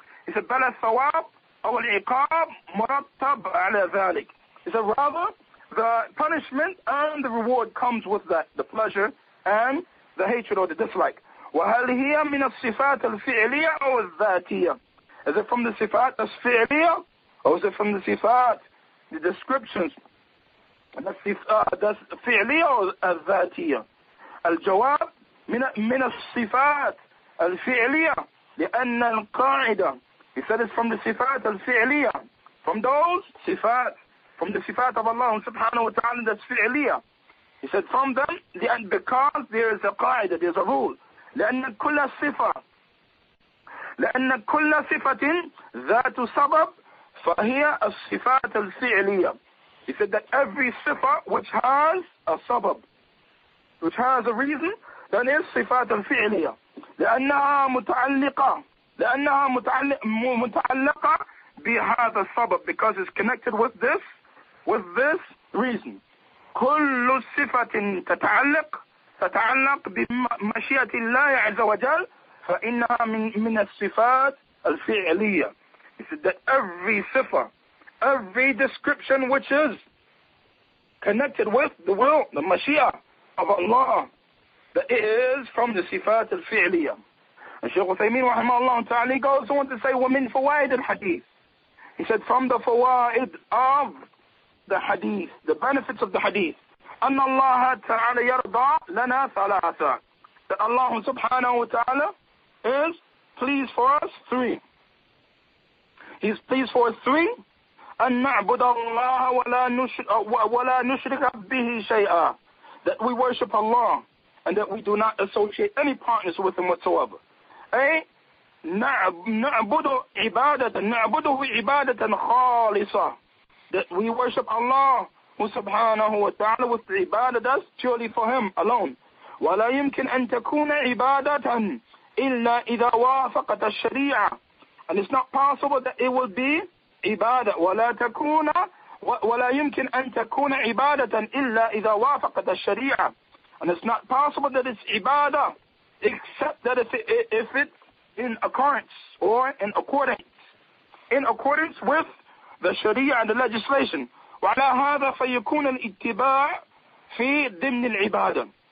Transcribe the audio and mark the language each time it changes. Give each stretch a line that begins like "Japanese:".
English: He said
Arabic: بل الثواب أو العقاب مرتب على ذلك.
English: He said rather the punishment and the reward comes with that, the pleasure and the hatred or the dislike.
Arabic: وهل هي من الصفات الفعلية أو الذاتية?
English: Is it from the
Arabic: صفات الفعلية?
English: Or is it from the صفات, the descriptions?
Arabic: الفعلية أو الذاتية? الجواب من الصفات الفعلية لأن القاعدة.
English: He said it's from the
Arabic: صفات الفعلية.
English: From those صفات. From the صفات of Allah
Arabic: سبحانه وتعالى
English: that's فعلية. He said from them, because there is a قاعدة, there is a rule.
Arabic: لأن كل صفة ذات سبب فهي الصفات الفعلية.
English: He said that every صفة which has a سبب, which has a reason, then is
Arabic: صفات الفعلية. لأنها متعلقة بهذا السبب,
English: because it's connected with this reason.
Arabic: كل صفة تتعلق بمشيئة الله عز وجل فإنها من الصفات الفعلية.
English: He said that every صفة, every description which is connected with the will, the مشيئة of Allah, that it is from the
Arabic: صفات الفعلية. الشيخ عثيمين رحمه الله تعالى
English: goes on to say
Arabic: ومن فوائد الحديث.
English: He said from the فوائد of the hadith, the benefits of the hadith,
Arabic: أن الله تعالى يرضى لنا ثلاثة.
English: That Allah
Arabic: سبحانه وتعالى
English: is pleased for us three. He is pleased for us three.
Arabic: أن نعبد الله ولا نشرك به شيئا.
English: That we worship Allah and that we do not associate any partners with Him whatsoever.
Arabic: أي نعبده عبادة خالصة.
English: That we worship Allah subhanahu wa ta'ala with ibadah that's purely for him alone.
Arabic: وَلَا يُمْكِنْ أَن تَكُونَ عِبَادَةً إِلَّا إِذَا وَافَقَتَ الشَّرِيعَةً.
English: And it's not possible that it will be ibadah.
Arabic: وَلَا يُمْكِنْ أَن تَكُونَ عِبَادَةً إِلَّا إِذَا وَافَقَتَ الشَّرِيعَةً.
English: And it's not possible that it's ibadah except that if it's in accordance or in accordance with the sharia and the legislation.
Arabic: وعلى هذا فيكون الاتباع في ضمن العبادة.